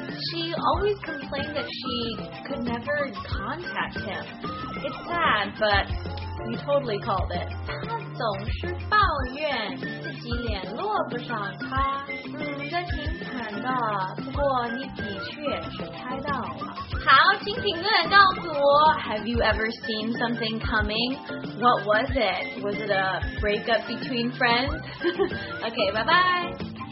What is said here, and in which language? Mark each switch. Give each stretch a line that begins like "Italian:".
English: She always complained that she could never contact him. It's sad, but you totally called it.
Chinese: 她总是抱怨自己联络不上他。这挺惨的，不过你的确是猜到了。好，请评论告诉我
English: ，Have you ever seen something coming? What was it? Was it a breakup between friends? Okay, bye bye.